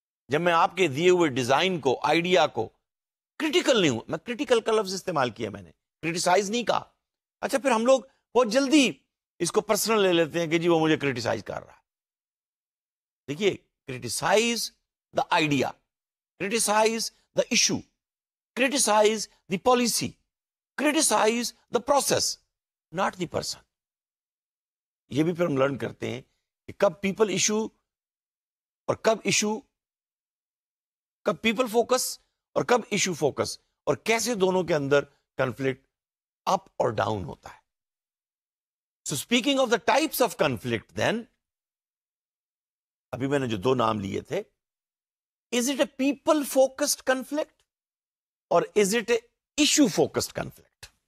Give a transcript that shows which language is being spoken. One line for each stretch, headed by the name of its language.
Urdu: جب میں آپ کے دیے ہوئے ڈیزائن کو، آئیڈیا کو کریٹیکل نہیں ہوں، میں کریٹیکل کا لفظ استعمال کیا، میں نے کریٹیسائز نہیں کہا. اچھا پھر ہم لوگ بہت جلدی اس کو پرسنل لے لیتے ہیں کہ جی وہ مجھے کریٹیسائز کر رہا ہے.
English: دیکھیے، criticise the idea, criticise the issue, criticise the policy, criticise the process, not the person.
Urdu: یہ بھی پھر ہم لرن کرتے ہیں کہ کب پیپل ایشو اور کب ایشو، کب پیپل فوکس اور کب ایشو فوکس، اور کیسے دونوں کے اندر کنفلکٹ اپ اور ڈاؤن ہوتا ہے.
English: so speaking of the types of conflict then,
Urdu: ابھی میں نے جو دو نام لیے تھے،
English: Is it a people focused conflict اور is it an issue focused conflict.